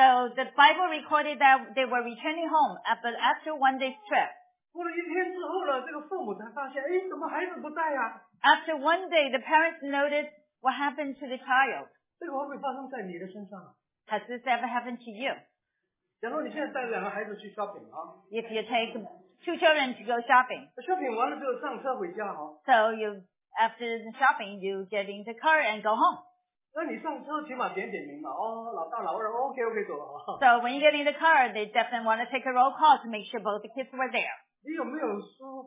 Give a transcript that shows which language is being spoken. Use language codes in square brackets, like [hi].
[en] the Bible recorded that they were returning home after 1 day's trip. [zh] 过了一天之后呢，这个父母才发现，哎，怎么孩子不在呀？ [en] After 1 day, the parents noticed what happened to the child. [zh] 这个会不会发生在你的身上？ [en] Has this ever happened to you? [zh] 假如你现在带着两个孩子去 shopping 啊？ [en] If you take 2 children to go shopping. [zh] Shopping 完了之后上车回家啊？ [en] So you, after the shopping, you get in the car and go home. [zh] 那你上车起码点点名嘛，哦，老大老二，OK，OK，走了啊。 [en] So when you get in the car, they definitely want to take a roll call to make sure both the kids were there.